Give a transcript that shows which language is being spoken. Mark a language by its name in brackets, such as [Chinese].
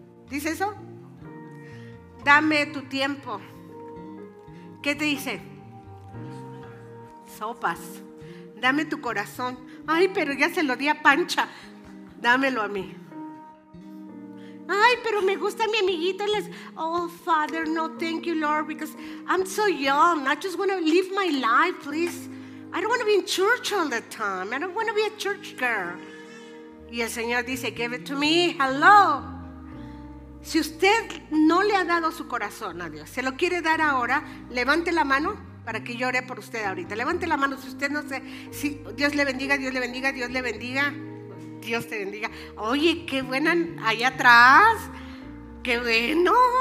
[Spanish] ¿Dice eso? Dame tu tiempo. ¿Qué te dice? Sopas. Dame tu corazón. Ay, pero ya se lo di a Pancha. Dámelo a mí. Ay, pero me gusta mi amiguito. [English] Oh, Father, no, thank you, Lord, because I'm so young. I just want to live my life, please. I don't want to be in church all the time. I don't want to be a church girl. [Spanish] Y el Señor dice, [English] give it to me. Hello. [Spanish] Si usted no le ha dado su corazón a Dios, se lo quiere dar ahora, levante la mano para que yo ore por usted ahorita. Levante la mano si usted no se... Si Dios le bendiga, Dios le bendiga, Dios le bendiga. Dios te bendiga. Oye, qué buena allá atrás. Qué bueno.